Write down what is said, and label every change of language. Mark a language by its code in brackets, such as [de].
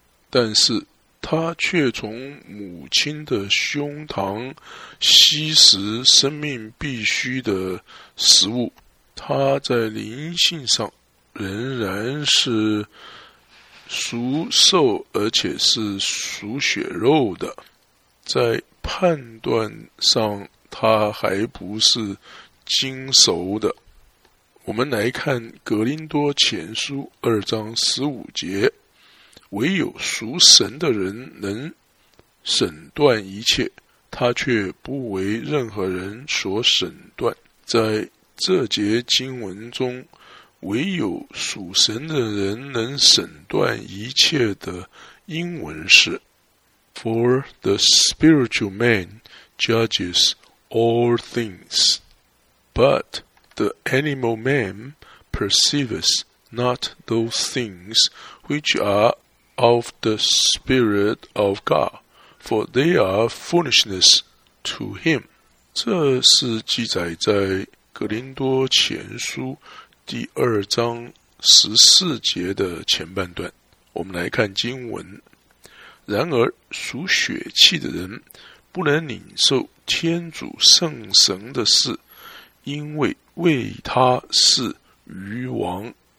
[zh] 但是他却从母亲的胸膛吸食生命必须的食物，他在灵性上仍然是属兽而且是属血肉的，在判断上他还不是精熟的。我们来看格林多前书二章十五节，唯有属神的人能审断一切，他却不为任何人所审断。在这节经文中，唯有属神的人能审断一切的英文是 [en] For the spiritual man judges all things, butThe animal man perceives not those things which are of the Spirit of God, for they are foolishness to him. [zh] 这是记载在格林多前书第二章十四节的前半段。我们来看经文。然而属血气的人不能领受天主圣神的事，因为为他是愚王。